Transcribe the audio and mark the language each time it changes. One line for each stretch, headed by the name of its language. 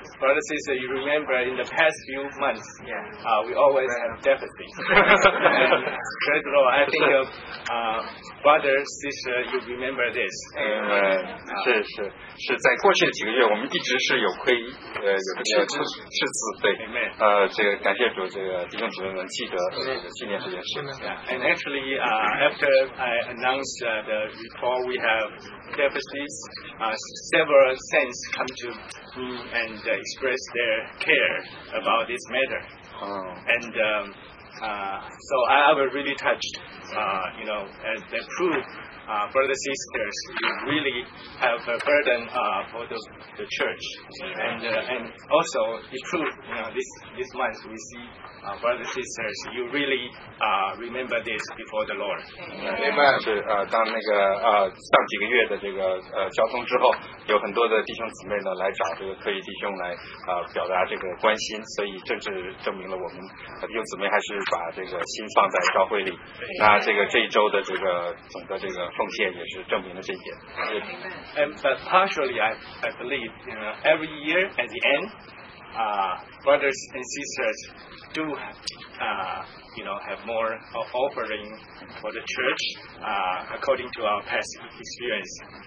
English: Brother, sister, you remember in the past few months, we always have deficit. And praise the Lord. I think of brother, sister, you remember this. Amen.
Chinese: 在过去的几个月，我们一直是有亏，有赤字，对。
English: Amen.
Chinese: 这个感谢主，这个弟兄姊妹能记得去年这件事。
English: And actually, after I announced the report, we have deficits. Several saints come to me and express their care about this matter. And so I was really touched. You know, as they prove, brothers, sisters, you really have a burden for the church. And also, it proves, you know, this month we see, brothers, sisters, you really remember this before the Lord.
Chinese: 明白是当那个上几个月的这个交通之后，有很多的弟兄姊妹呢来找这个科仪弟兄来表达这个关心，所以正是证明了我们弟兄姊妹还是把这个心放在教会里。那这个这一周的这个总的这个奉献也是证明了这一点。
English: And but partially, I believe, you know, every year at the end, brothers and sisters do, you know, have more of offering for the church, according to our past experience.